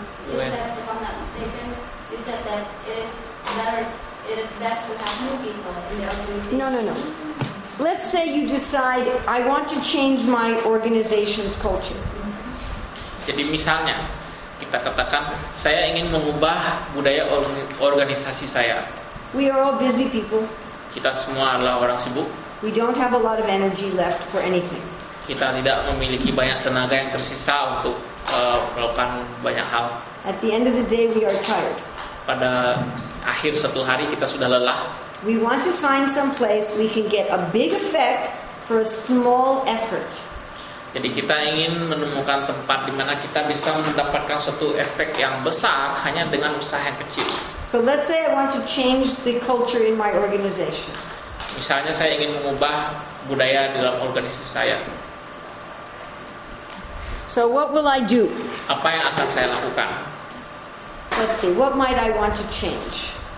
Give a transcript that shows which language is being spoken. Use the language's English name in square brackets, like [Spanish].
[English] If I'm not mistaken, you said that it is best to have new people in the organization. No. Let's say you decide I want to change my organization's culture. [Indonesian] Jadi misalnya kita katakan saya ingin mengubah budaya organisasi saya. [English] We are all busy people. [Indonesian] Kita semua adalah orang sibuk. [English] We don't have a lot of energy left for anything. [Indonesian] Kita tidak memiliki banyak tenaga yang tersisa untuk melakukan banyak hal. [English] At the end of the day we are tired. [Indonesian] Pada akhir satu hari kita sudah lelah. [English] We want to find some place we can get a big effect for a small effort. [Indonesian] Jadi kita ingin menemukan tempat di mana kita bisa mendapatkan suatu efek yang besar hanya dengan usaha yang kecil. [English] So let's say I want to change the culture in my organization. [Indonesian] Misalnya saya ingin mengubah budaya dalam organisasi saya. [English] So what will I do? [Indonesian] Apa yang akan saya lakukan? [English] Let's see, what might I want to change?